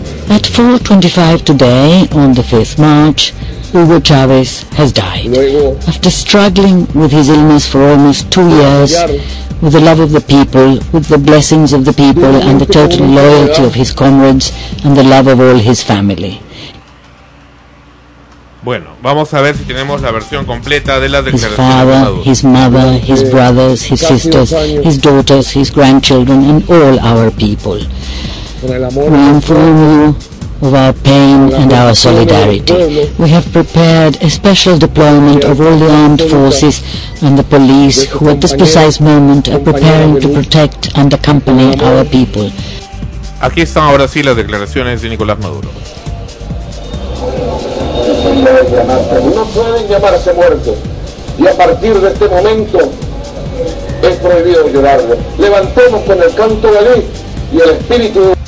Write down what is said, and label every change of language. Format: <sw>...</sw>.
<en>At 4:25 today, on the 5th March, Hugo Chávez has died. After struggling with his illness for almost 2 years, with the love of the people, with the blessings of the people, and the total loyalty of his comrades, and the love of all his family.</en> <es>Bueno, vamos a ver si tenemos la versión completa de la declaración.</es> <en>His father, his mother, his brothers, his sisters, his daughters, his grandchildren, and all our people. We inform you of our pain and our solidarity. We have prepared a special deployment of all the armed forces and the police who at this precise moment are preparing to protect and accompany our people.</en> <es>Aquí están ahora sí las declaraciones de Nicolás Maduro. No pueden llamarse muertos. Y a partir de este momento es prohibido llorarlo. Levantemos con el canto de ley y el espíritu.</es>